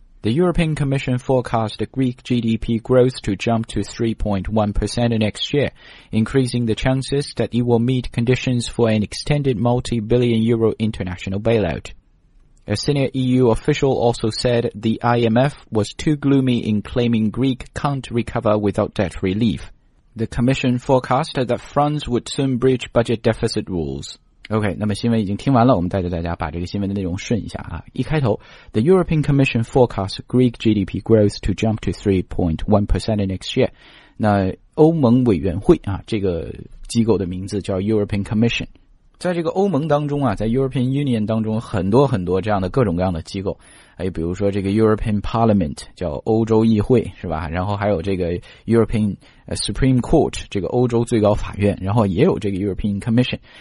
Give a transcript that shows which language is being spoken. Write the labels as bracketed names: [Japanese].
[English] The European Commission forecast the Greek GDP growth to jump to 3.1% next year, increasing the chances that it will meet conditions for an extended multi-billion euro international bailout. A senior EU official also said the IMF was too gloomy in claiming Greece can't recover without debt relief. The Commission forecasted that France would soon breach budget deficit rules. [Chinese] OK, 那么新闻已经听完了，我们带着大家把这个新闻的内容顺一下啊。一开头 [English] ,The European Commission forecast Greek GDP growth to jump to 3.1% next year. [Chinese] 那欧盟委员会啊，这个机构的名字叫 European Commission。在这个欧盟当中啊，在 European Union 当中，很多很多这样的各种各样的机构，还有比如说这个 European Parliament 叫欧洲议会是吧，然后还有这个 European Supreme Court 这个欧洲最高法院，然后也有这个 European Commission